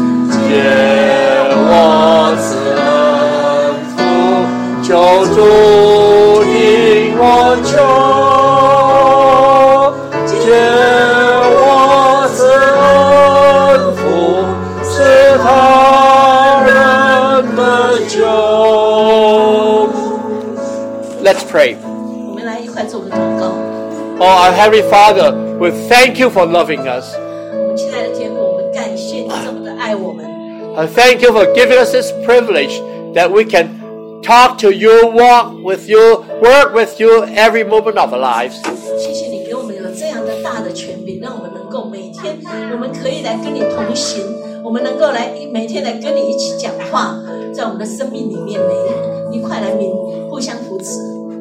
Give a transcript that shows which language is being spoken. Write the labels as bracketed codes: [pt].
[zh] 借我此恩福，救主引我求，借我此恩福，是他人的救。 [en] Let's pray. [zh] 我们来一块做个祷告。 [en] Oh, our Heavenly Father, we thank you for loving us. [zh] 我们亲爱的天父，我们感谢你这么的爱我们。 [en] I thank you for giving us this privilege that we can talk to you, walk with you, work with you every moment of our lives. [zh] 谢谢你给我们有这样的大的权柄，让我们能够每天，我们可以来跟你同行，我们能够来每天来跟你一起讲话，在我们的生命里面，每一块来明互相扶持。